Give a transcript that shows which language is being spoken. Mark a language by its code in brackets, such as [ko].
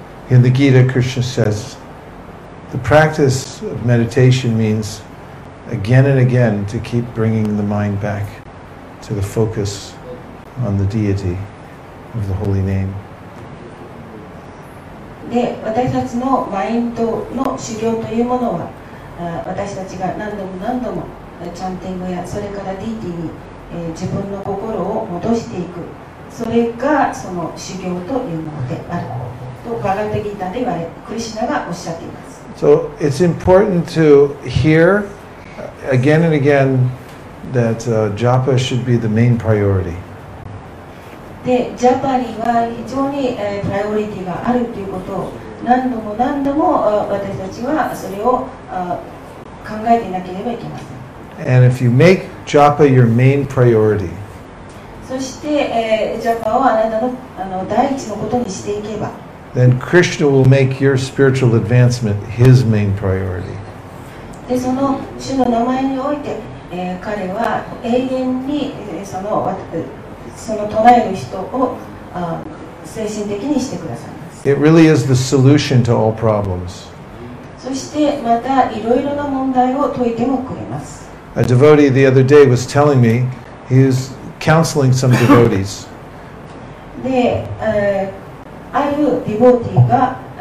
[en] In the Gita, Krishna says the practice of meditation means again and again to keep bringing the mind back to the focus on the deity of the holy name. [ja] で、私たちのマインドの修行というものは、私たちが何度も何度もチャンティングや、それからディーティに、自分の心を戻していく、それがその修行というものであるとバガヴァッド・ギーターで言われ、クリシュナがおっしゃっています。 [en] So it's important to hear again and again that japa should be the main priority. [ja] で、ジャパには非常に、プライオリティがあるということを何度も何度も、私たちはそれを、考えていなければいけません。 [en] And if you make japa your main priority, [ja] そして、ジャパをあなたの、第一のことにしていけば、 [en] then Krishna will make your spiritual advancement his main priority. [ja] でその主の名前において、彼は永遠に、その唱える人を、精神的にしてくださいます。 [en] It really is the solution to all problems. [ja] そしてまたいろいろな問題を解いてもくれます。 [en] A devotee the other day was telling me, he was counseling some devotees. [ja] で、あるディボーティーが、